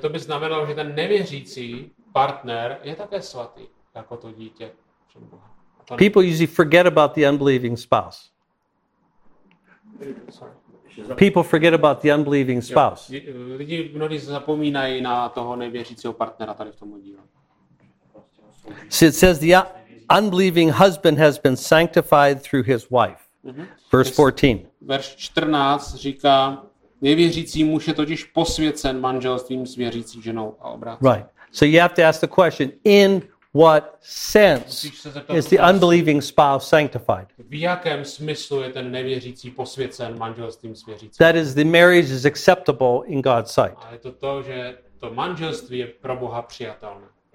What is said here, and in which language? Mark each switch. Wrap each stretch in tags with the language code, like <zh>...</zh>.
<cs>To by znamenalo, že ten nevěřící partner je také svatý jako to dítě.</cs> <en>People usually forget about the unbelieving spouse. People forget about the unbelieving spouse.</en> <cs>Lidi mnohdy zapomínají na toho nevěřícího partnera tady v tom dílu.</cs> <en>So it says the unbelieving husband has been sanctified through his wife. Verse 14.</en> <cs>Verš 14 říká, nevěřící muž je totiž posvěcen manželstvím s věřící ženou a obrácen. Right.</cs> <en>So you have to ask the question, in what sense is the unbelieving spouse sanctified?</en> <cs>V jakém smyslu je ten nevěřící posvěcen manželstvím s věřící ženou?</cs> <en>That is, the marriage is acceptable in God's sight.</en> <cs>A je to to, že to manželství je pro Boha přijatelné.</cs>